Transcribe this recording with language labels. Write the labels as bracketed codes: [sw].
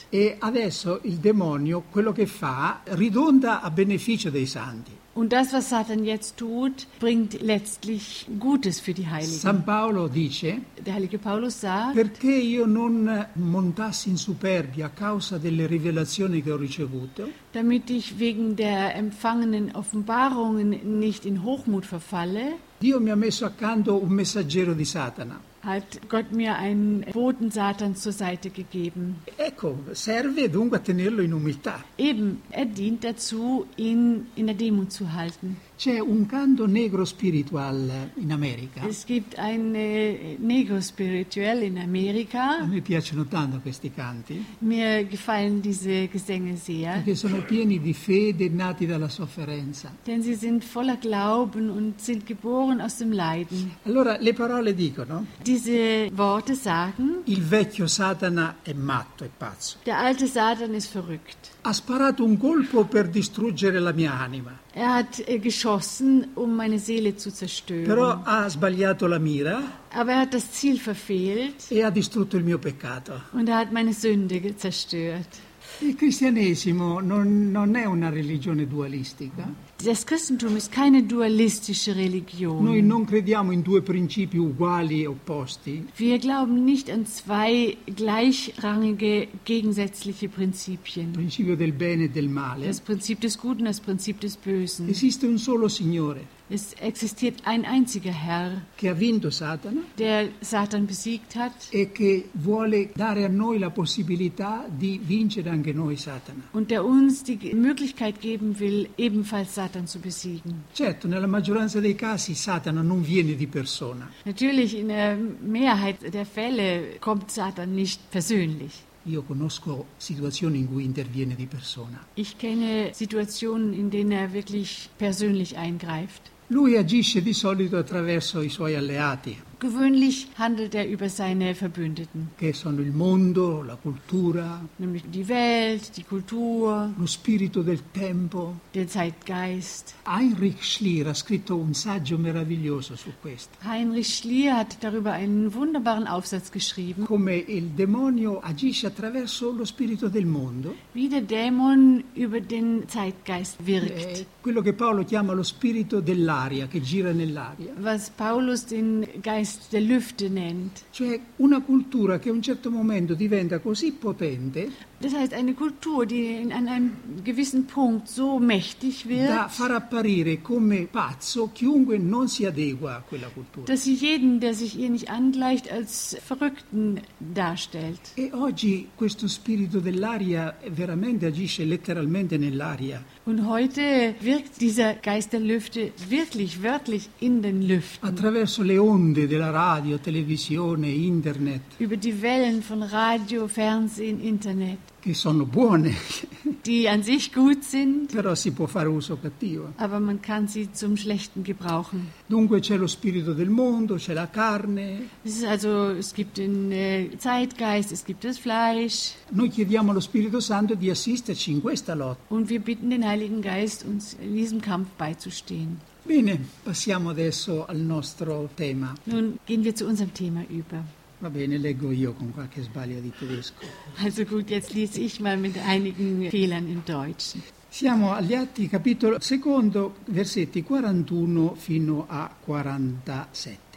[it] E adesso il demonio, quello che fa, ridonda a beneficio dei santi. [de] Und das, was Satan jetzt tut, bringt letztlich Gutes für die Heiligen. [it] San Paolo dice, [de] der heilige Paulus sagt, [it] perché io non montassi in superbia a causa delle rivelazioni che ho ricevuto, [de] damit ich wegen der empfangenen Offenbarungen nicht in Hochmut verfalle, [it] Dio mi ha messo accanto un messaggero di Satana. [de] Hat Gott mir einen Boten Satans zur Seite gegeben. [it] Ecco, serve dunque a tenerlo in umiltà. [de] Eben, er dient dazu, ihn in der Demut zu halten. [it] C'è un canto negro spiritual in America. [de] Es gibt ein negro spirituel in America. [it] A me piacciono tanto questi canti. [de] Mir gefallen diese Gesänge sehr. [it] Perché sono pieni di fede nati dalla sofferenza. [de] Denn sie sind voller Glauben und sind geboren aus dem Leiden. [it] Allora le parole dicono. [de] Diese Worte sagen. [it] Il vecchio Satana è matto, è pazzo. [de] Der alte Satan ist verrückt. [it] Ha sparato un colpo per distruggere la mia anima. [de] Er hat geschossen, um meine Seele zu zerstören. [it] Però ha sbagliato la mira. [de] Aber er hat das Ziel verfehlt. [it] E ha distrutto il mio peccato. [de] Und er hat meine Sünde zerstört. [it] Il cristianesimo non è una religione dualistica. [de] Das Christentum ist keine dualistische Religion. [it] Noi non crediamo in due principi uguali opposti. [de] Wir glauben nicht an zwei gleichrangige, gegensätzliche Prinzipien. [it] Principio del bene e del male. [de] Das Prinzip des Guten, das Prinzip des Bösen. [it] Esiste un solo Signore. [de] Es existiert ein einziger Herr, [it] che ha vinto Satana, [de] der Satan besiegt hat, [it] e che vuole dare a noi la possibilità di vincere anche noi Satana. [de] Und der uns die Möglichkeit geben will, ebenfalls Satan zu besiegen. [it] Certo, nella maggioranza dei casi Satana non viene di persona. [de] Natürlich, in der Mehrheit der Fälle kommt Satan nicht persönlich. [it] Io conosco situazioni in cui interviene di persona. [de] Ich kenne Situationen, in denen er wirklich persönlich eingreift. [it] Lui agisce di solito attraverso i suoi alleati. [de] Gewöhnlich handelt er über seine Verbündeten. [it] Che sono il mondo, la cultura, [de] nämlich die Welt, die Kultur. [it] Lo spirito del tempo. [de] Der Zeitgeist. [it] Heinrich Schlier ha scritto un saggio meraviglioso su questo. [de] Heinrich Schlier hat darüber einen wunderbaren Aufsatz geschrieben. [it] Come il demonio agisce attraverso lo spirito del mondo. [de] Wie der Dämon über den Zeitgeist wirkt. [it] Quello che Paolo chiama lo spirito dell'aria che gira nell'aria. [de] Was Paulus den Geist der Lüfte nennt. [it] Cioè una cultura che a un certo momento diventa così potente. [de] Das heißt eine Kultur, die an einem gewissen Punkt so mächtig wird. [it] Da far apparire come pazzo chiunque non si adegua a quella cultura. [de] Dass sie jeden, der sich ihr nicht angleicht, als Verrückten darstellt. [it] E oggi questo spirito dell'aria veramente agisce letteralmente nell'aria. [de] Und heute wirkt dieser Geist der Lüfte wirklich wörtlich in den Lüften. [it] Attraverso le onde della radio, televisione, internet. [de] Über die Wellen von Radio, Fernsehen, Internet. [it] Che sono buone. [de] Die an sich gut sind. [it] Però si può fare uso cattivo. [de] Aber man kann sie zum Schlechten gebrauchen. [it] Dunque c'è lo spirito del mondo, c'è la carne. [de] Also, es gibt den Zeitgeist, es gibt das Fleisch. [it] Noi chiediamo allo Spirito Santo di assisterci in questa lotta. [de] Und wir bitten den Heiligen Geist, uns in diesem Kampf beizustehen. [it] Bene, passiamo adesso al nostro tema. [de] Nun gehen wir zu unserem Thema über. [it] Va bene, leggo io con qualche sbaglio di tedesco. [de] Also gut, jetzt lese ich mal mit einigen Fehlern im Deutschen. [it] Siamo agli Atti, capitolo secondo, versetti 41 fino a 47.